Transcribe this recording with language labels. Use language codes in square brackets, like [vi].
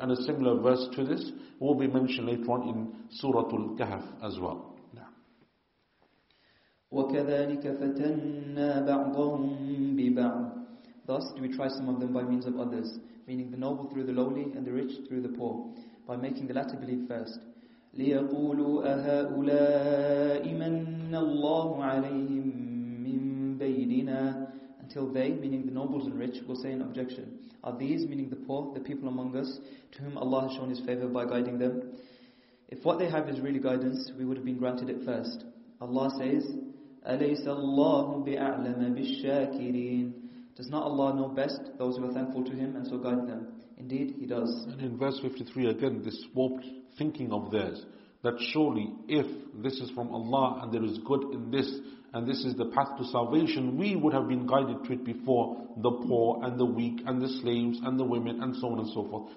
[en] And a similar verse to this will be mentioned later on in Surah Al-Kahf as well. [ar] وكذلك فتنا بعضهم ببعض. [en] Thus do we try some of them by means of others, meaning the noble through the lowly and the rich through the poor, by making the latter believe first. [ar] ليقولوا أهؤلاء من الله عليهم من بيننا. [en] Until they, meaning the nobles and rich, will say an objection. Are these, meaning the poor, the people among us, to whom Allah has shown His favor by guiding them? If what they have is really guidance, we would have been granted it first. Allah says, [ar] أليس الله بأعلم بالشاكرين. [en] Does not Allah know best those who are thankful to Him and so guide them? Indeed, He does. And in verse 53 again, this warped thinking of theirs, that surely if this is from Allah and there is good in this and this is the path to salvation, we would have been guided to it before the poor and the weak and the slaves and the women and so on and so forth.